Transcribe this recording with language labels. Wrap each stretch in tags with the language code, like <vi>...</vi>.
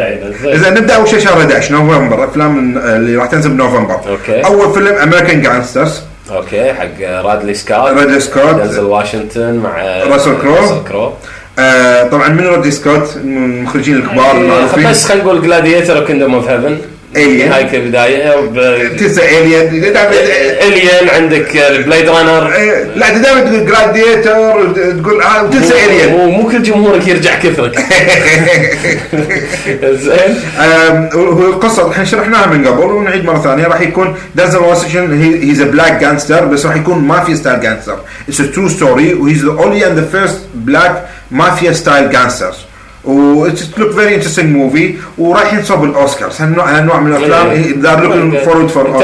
<ar>يعينه. إذا نبدأ أول شيء شهر 11 نوفمبر أفلام اللي راح تنزل بنوفمبر أوكي. أول فيلم American Gangsters أوكي حق رادلي سكوت دنزل واشنطن مع راسل كرو طبعا من رادلي سكوت المخرجين الكبار بس خلينا نقول جلاديتر وكيندوم أوف هيفن</ar> <en>Alien</en> <ar>هاي كبداية تنسى Alien Alien عندك Blade Runner لا انت دائما تقول Gladiator تقول تنسى Alien مو كل جمهورك يرجع كثرك زين القصة الحين شرحناها من قبل ونعيد مرة ثانية راح يكون</ar> <en>Denzel Washington he's a black gangster</en> <ar>بس راح يكون</ar> <en>mafia style gangster it's a true story he's the only and the first black mafia style gangster و it look very interesting movie</en> <ar>وراح ينصب الأوسكار هالنوع نوع من الأفلام</ar> <en>دار look forward for</en>